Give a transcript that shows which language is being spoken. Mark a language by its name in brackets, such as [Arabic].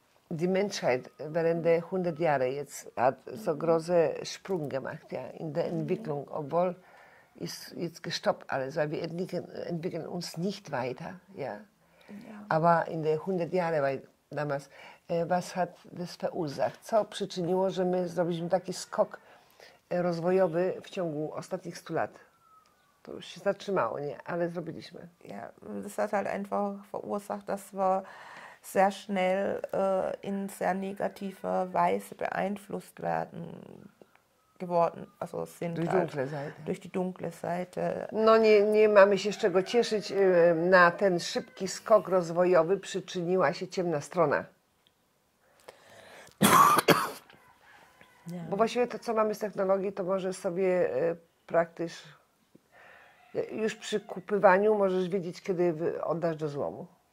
[German] Die Menschheit während der 100 Jahre jetzt hat so große Sprung gemacht, ja, in der Entwicklung, obwohl ist jetzt gestoppt alles, weil wir entwickeln uns nicht weiter, ja. Aber in der 100 Jahre war damals, was hat das verursacht? [Polish] Co przyczyniło, że my zrobiliśmy taki skok rozwojowy w ciągu ostatnich 100 lat? To już się zatrzymało, nie, ale zrobiliśmy. [German] Ja, das hat halt einfach verursacht, dass wir sehr schnell in sehr negative Weise beeinflusst werden geworden, also sind durch, halt, dunkle Seite. Durch die dunkle Seite. [Polish] No nie mamy się z czego cieszyć, na ten szybki skok rozwojowy przyczyniła się ciemna strona. Bo właściwie to, co mamy z technologii, to może sobie praktycznie już przy kupywaniu możesz wiedzieć, kiedy oddasz do złomu.